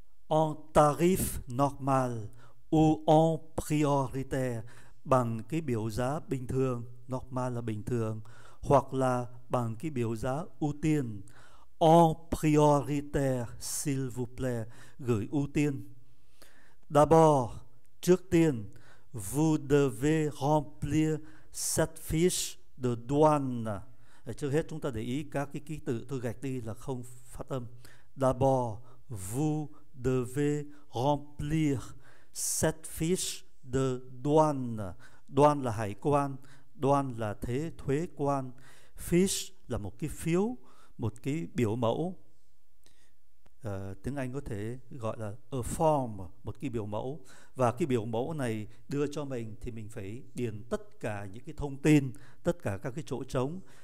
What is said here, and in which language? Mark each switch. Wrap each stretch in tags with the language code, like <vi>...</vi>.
<fr>En tarif normal ou en prioritaire,</fr> <vi>bằng cái biểu giá bình thường, normal là bình thường, hoặc là bằng cái biểu giá ưu tiên,</vi> <fr>en prioritaire, s'il vous plaît,</fr> <vi>gửi ưu tiên.</vi> <fr>D'abord,</fr> <vi>trước tiên,</vi> <fr>vous devez remplir cette fiche de douane.</fr> <vi>Trước hết chúng ta để ý các cái ký tự tôi gạch đi là không phát âm.</vi> <fr>D'abord, vous devez remplir cette fiche de douane.</fr> <vi>Douane là hải quan, douane là thế thuế quan. Fiche là một cái phiếu, một cái biểu mẫu. Tiếng Anh có thể gọi là</vi> <en>a form,</en> <vi>một cái biểu mẫu. Và cái biểu mẫu này đưa cho mình thì mình phải điền tất cả những cái thông tin, tất cả các cái chỗ trống.</vi>